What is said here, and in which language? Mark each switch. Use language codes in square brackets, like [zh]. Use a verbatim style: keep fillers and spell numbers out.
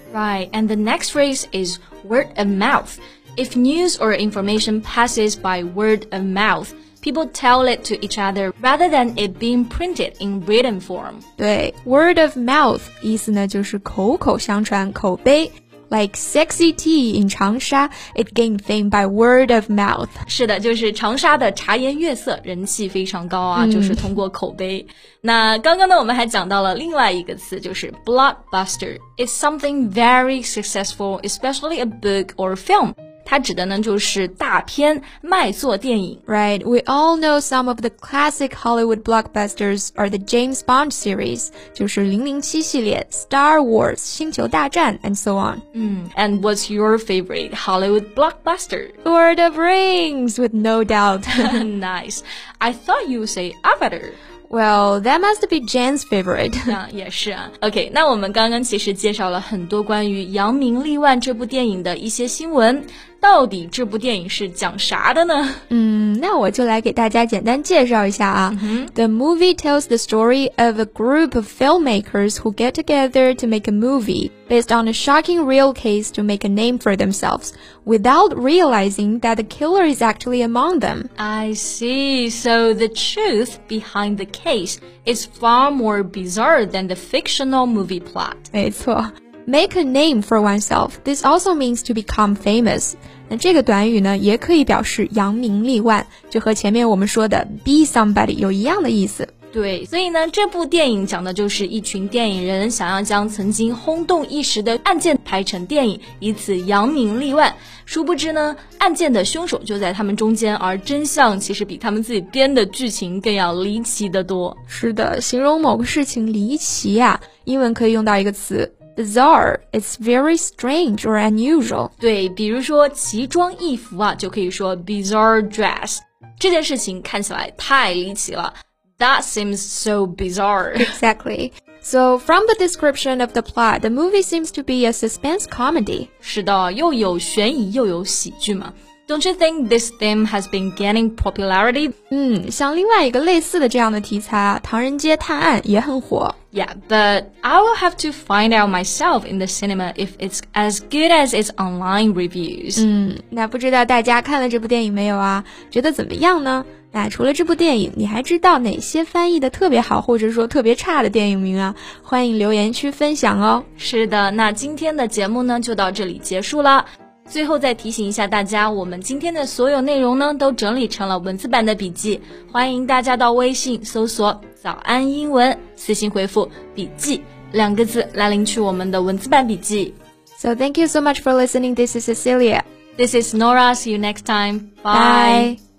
[en] Right, and the next phrase is word of mouth. If news or information passes by word of mouth, people tell it to each other rather than it being printed in written form. [zh] 对， word of mouth 意思呢就是口口相传，口碑。 [en] Like sexy tea in Changsha, it gained fame by word of mouth. [zh] 是的，就是长沙的茶颜悦色人气非常高啊，嗯，就是通过口碑。那刚刚呢，我们还讲到了另外一个词，就是 blockbuster. [en] It's something very successful, especially a book or film. [zh] 它指的呢就是大片卖座电影。 [en] Right, we all know some of the classic Hollywood blockbusters are the James Bond series, [zh] 就是007系列 [en] Star Wars, 星球大战 and so on. Mm, and what's your favorite Hollywood blockbuster? Lord of Rings, with no doubt. Nice. I thought you would say Avatar. Well, that must be Jen's favorite. [zh] 啊，也是啊。 OK, 那我们刚刚其实介绍了很多关于《扬名立万》这部电影的一些新闻。到底这部电影是讲啥的呢？嗯，那我就来给大家简单介绍一下啊。 Mm-hmm. [en] The movie tells the story of a group of filmmakers who get together to make a movie based on a shocking real case to make a name for themselves without realizing that the killer is actually among them. I see. So the truth behind the case is far more bizarre than the fictional movie plot. 没错。Make a name for oneself. This also means to become famous. [zh] 那这个短语呢，也可以表示扬名立万，就和前面我们说的 be somebody 有一样的意思。对，所以呢，这部电影讲的就是一群电影人想要将曾经轰动一时的案件拍成电影，以此扬名立万。殊不知呢，案件的凶手就在他们中间，而真相其实比他们自己编的剧情更要离奇得多。是的，形容某个事情离奇啊，英文可以用到一个词。 [en] Bizarre, it's very strange or unusual. [zh] 对，比如说奇装异服啊，就可以说 bizarre dress. 这件事情看起来太离奇了。 [en] That seems so bizarre. Exactly. So, from the description of the plot, the movie seems to be a suspense comedy. [zh] 是的，又有悬疑又有喜剧嘛。 [en] Don't you think this theme has been gaining popularity? [zh] 嗯，像另外一个类似的这样的题材啊，唐人街探案也很火。 [en] Yeah, but I will have to find out myself in the cinema if it's as good as its online reviews. [zh] 嗯，那不知道大家看了这部电影没有啊？觉得怎么样呢？那除了这部电影，你还知道哪些翻译的特别好或者说特别差的电影名啊？欢迎留言区分享哦。是的，那今天的节目呢，就到这里结束了。最后再提醒一下大家，我们今天的所有内容呢，都整理成了文字版的笔记，欢迎大家到微信搜索早安英文，私信回复笔记两个字来领取我们的文字版笔记。 [en] So thank you so much for listening. This is Cecilia. This is Nora. See you next time. Bye. Bye.